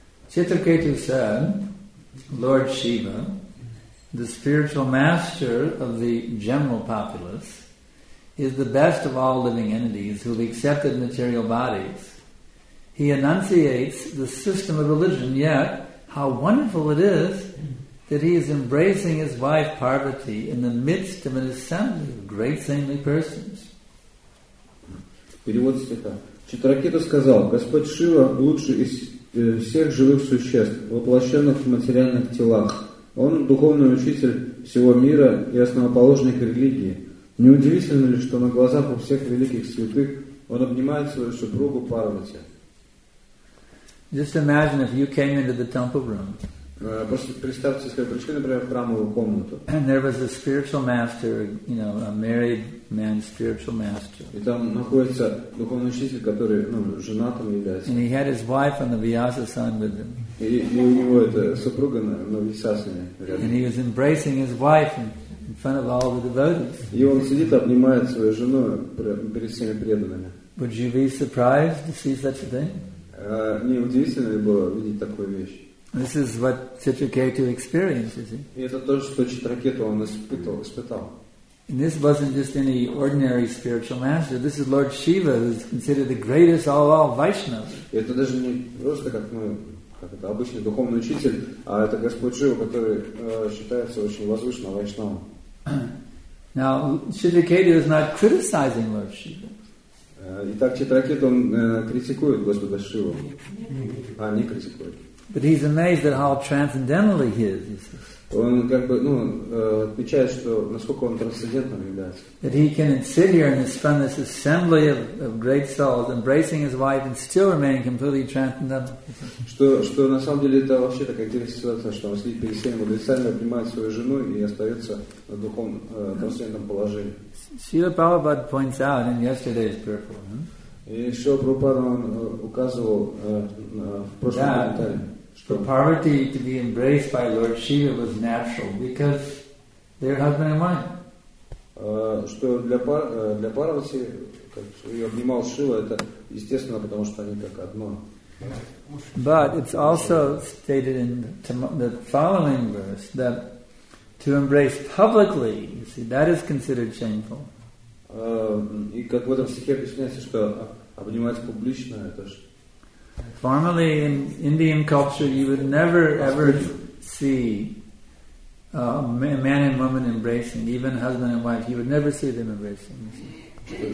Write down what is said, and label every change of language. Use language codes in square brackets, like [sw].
[en] Chitraketu said, Lord Shiva, the spiritual master of the general populace, is the best of all living entities who have accepted material bodies. He enunciates the system of religion, yet how wonderful it is that he is embracing his wife Parvati in the midst of an assembly of great saintly persons. [ru] Перевод стиха. Читракета сказал, Господь Шива лучше из всех живых существ, воплощенных в материальных телах. Он духовный учитель всего мира и основоположник религии. Неудивительно ли, что на глазах у всех великих святых он обнимает свою супругу Парвати? [en] Just imagine if you came into the temple room. [ru] Представьте, если вы пришли, например, в храмовую комнату. [en] And there was a spiritual master, you know, a married man, spiritual master. [ru] И там находится духовный учитель, который, ну, женатым является. [en] And he had his wife and the Vyasa son with him. [ru] И у него это супруга на Вьясасане рядом. [en] And he was embracing his wife in front of all the devotees. [ru] И он сидит, обнимает свою жену перед всеми преданными. [en] Would you be surprised to see such a thing? [ru] Не удивительно ли было видеть такую вещь? [en] This is what Chitraketu experienced, isn't it? [ru] И это то, что Читракету он испытал. [en] And this wasn't just any ordinary spiritual master. This is Lord Shiva, who is considered the greatest of all Vaishnavas. [ru] И это даже не просто как мы, как это обычный духовный учитель, а это Господь Шива, который считается очень возвышенным вайшнавом. [en] Now Chitraketu is not criticizing Lord Shiva. [ru] Итак, Читракет, он критикует Господа Шиву. А, не критикует. [en] But he's amazed at how transcendentally he is. [ru] Он как бы, ну, отмечает, что насколько он трансцендентным является. [en] That he can sit here in this, from this assembly of great souls, embracing his wife and still remain completely transcendental. [ru] Что на самом деле это вообще такая интересная ситуация, что он сидит перед всеми мудрецами, обнимает свою жену и остается в духовном трансцендентном положении. [en] Srila Prabhupada points out in yesterday's purport. [ru] И Шрила Прабхупада указывал в прошлом комментарии, [en] что Parvati to be embraced by Lord Shiva was natural because they're husband and wife. [ru] Что для Парвати, как ее обнимал Шива, это естественно, потому что они как одно. [en] But it's also stated in the following verse that to embrace publicly, you see, that is considered shameful. [ru] И как в этом стихе объясняется, что обнимать публично это же. [en] Formerly in Indian culture, you would never ever see a man and woman embracing, even husband and wife. You would never see them embracing.